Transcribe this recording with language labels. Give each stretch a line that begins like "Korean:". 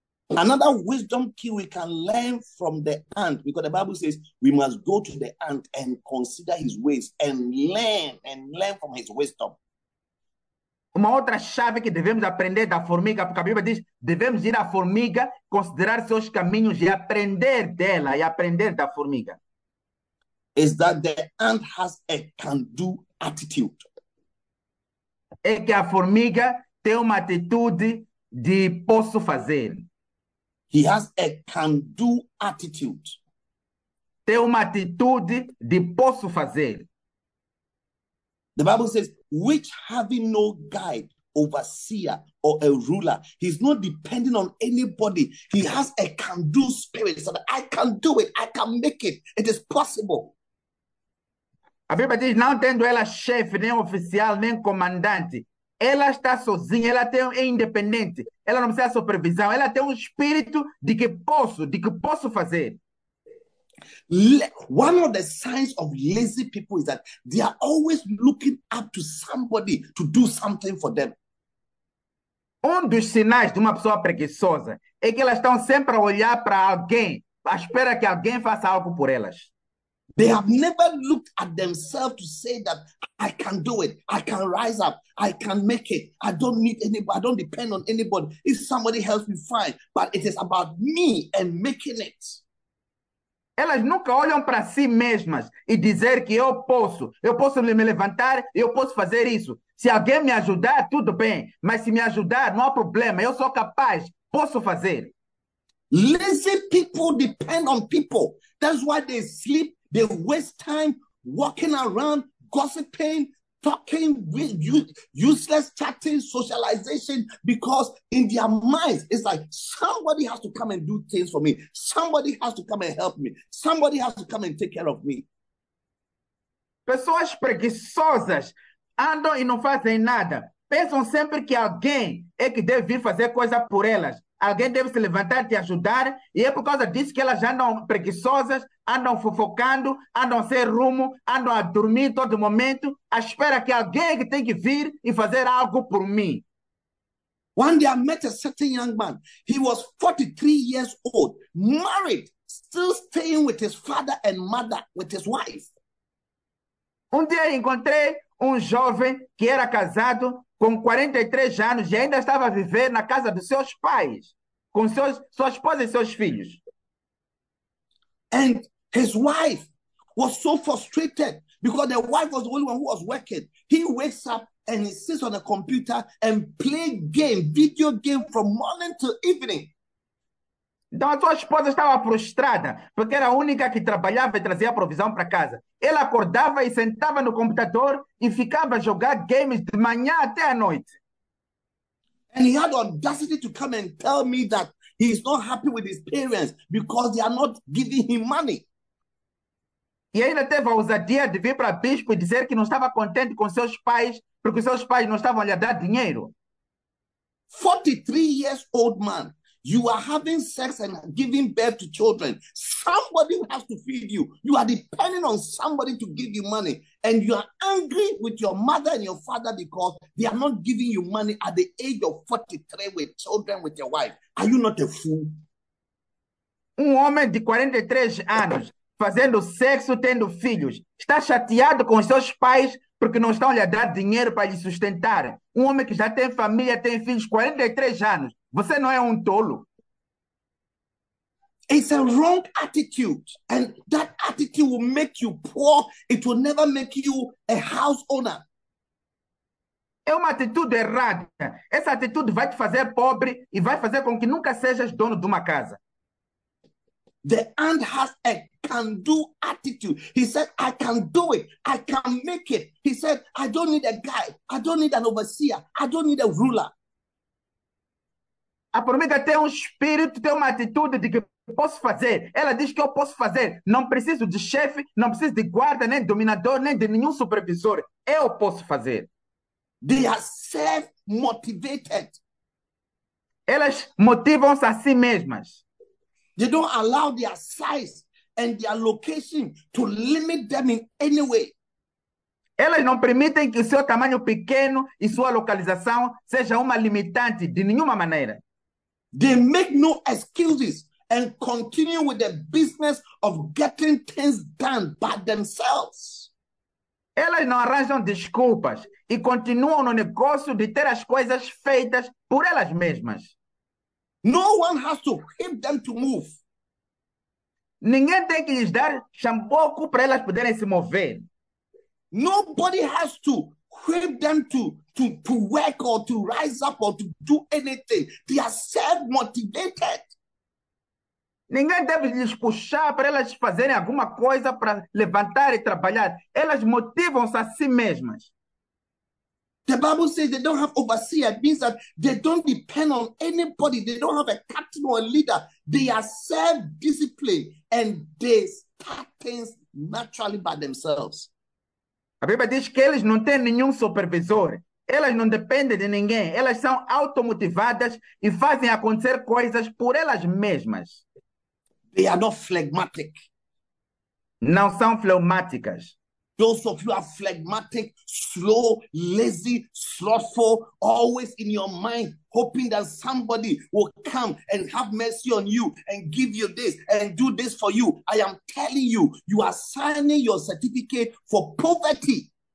English: Another wisdom key we can learn from the ant, because the Bible says we must go to the ant and consider his ways and learn from his wisdom.
Portuguese: Uma outra chave que devemos aprender da formiga, porque a Bíblia diz, devemos ir à formiga, considerar seus caminhos e aprender dela, e aprender da formiga.
English: Is that the ant has a can-do attitude.
Portuguese: É que a formiga tem uma atitude de posso fazer.
English: He has a can-do attitude.
Portuguese: Tem uma atitude de posso fazer.
English: The Bible says, which having no guide, overseer, or a ruler, he's not depending on anybody. He has a can-do spirit. So that I can do it. I can make it. It is possible.
Portuguese: A Bíblia diz, não tendo ela chefe, nem oficial, nem comandante. Ela está sozinha, ela tem, é independente. Ela não precisa de supervisão. Ela tem espírito de que posso fazer.
English: One of the signs of lazy people is that they are always looking up to somebody to do something for them.
Portuguese: Dos sinais de uma pessoa preguiçosa é que elas estão sempre a olhar para alguém, à espera que alguém faça algo por elas.
English: They have never looked at themselves to say that I can do it, I can rise up, I can make it, I don't need anybody, I don't depend on anybody. If somebody helps me, fine, but it is about me and making it.
Portuguese: Elas nunca olham para si mesmas e dizer que eu posso me levantar, eu posso fazer isso. Se alguém me ajudar, tudo bem, mas se me ajudar, não há problema, eu sou capaz, posso fazer.
English: Lazy people depend on people. That's why they sleep, they waste time walking around, gossiping, talking with useless chatting, socialization, because in their minds, it's like, somebody has to come and do things for me. Somebody has to come and help me. Somebody has to come and take care of me.
Portuguese: Pessoas preguiçosas andam e não fazem nada. Pensam sempre que alguém é que deve vir fazer coisa por elas. Alguém deve se levantar e te ajudar. E é por causa disso que elas andam preguiçosas, andam fofocando, andam sem rumo, andam a dormir todo momento, à espera que alguém que tem que vir e fazer algo por mim.
English: One day I met a certain young man. He was 43 years old, married, still staying with his father and mother, with his wife.
Portuguese: Dia encontrei jovem que era casado com 43 anos e ainda estava a viver na casa dos seus pais, com sua esposa e seus filhos.
English: And his wife was so frustrated because the wife was the only one who was working. He wakes up and he sits on the computer and play game, video game from morning to evening.
Portuguese: Então a sua esposa estava frustrada porque era a única que trabalhava e trazia provisão para casa. Ela acordava e sentava no computador e ficava a jogar games de manhã até a noite.
English: And he had the audacity to come and tell me that he is not happy with his parents because they are not giving him money.
Portuguese: E ainda teve a ousadia de vir para o bispo e dizer que não estava contente com seus pais porque seus pais não estavam a lhe dar dinheiro.
English: 43 years old man, you are having sex and giving birth to children. Somebody has to feed you. You are depending on somebody to give you money. And you are angry with your mother and your father because they are not giving you money at the age of 43 with children, with your wife. Are you not a fool?
Portuguese: Homem de 43 anos, fazendo sexo, tendo filhos, está chateado com seus pais porque não estão lhe a dar dinheiro para lhe sustentar. Homem que já tem família, tem filhos, 43 anos. Você não é tolo.
English: It's a wrong attitude. And that attitude will make you poor. It will never make you a house owner.
Portuguese: É uma atitude errada. Essa atitude vai te fazer pobre e vai fazer com que nunca sejas dono de uma casa.
English: The ant has a can-do attitude. He said, I can do it. I can make it. He said, I don't need a guide. I don't need an overseer. I don't need a ruler.
Portuguese: A formiga tem espírito, tem atitude de que posso fazer. Ela diz que eu posso fazer. Não preciso de chefe, não preciso de guarda, nem dominador, nem de nenhum supervisor. Eu posso fazer.
English: They are self-motivated.
Portuguese: Elas motivam-se a si mesmas.
English: They don't allow their size and their location to limit them in any way.
Portuguese: Elas não permitem que o seu tamanho pequeno e sua localização seja uma limitante de nenhuma maneira.
English: They make no excuses and continue with the business of getting things done by themselves.
Portuguese: Elas não arranjam desculpas e continuam no negócio de ter as coisas feitas por elas mesmas.
English: No one has to help them to move.
Portuguese: Ninguém tem que lhes dar chamboco para elas poderem se mover.
English: Nobody has to help them to work or to rise up or to do anything. They are self-motivated.
Portuguese: Ninguém deve lhes puxar para elas fazerem alguma coisa para levantar e trabalhar. Elas motivam-se a si mesmas.
English: The Bible says they don't have overseer. It means that they don't depend on anybody. They don't have a captain or a leader. They are self-disciplined and they start things naturally by themselves.
Portuguese: A Bíblia diz que eles não têm nenhum supervisor. Elas não dependem de ninguém. Elas são automotivadas e fazem acontecer coisas por elas mesmas.
English: They are not phlegmatic.
Portuguese: Não são fleumáticas.
English: Those of you are phlegmatic, slow, lazy, slothful, always in your mind, hoping that somebody will come and have mercy on you and give you this and do this for you. I am telling you, you are signing your certificate for poverty.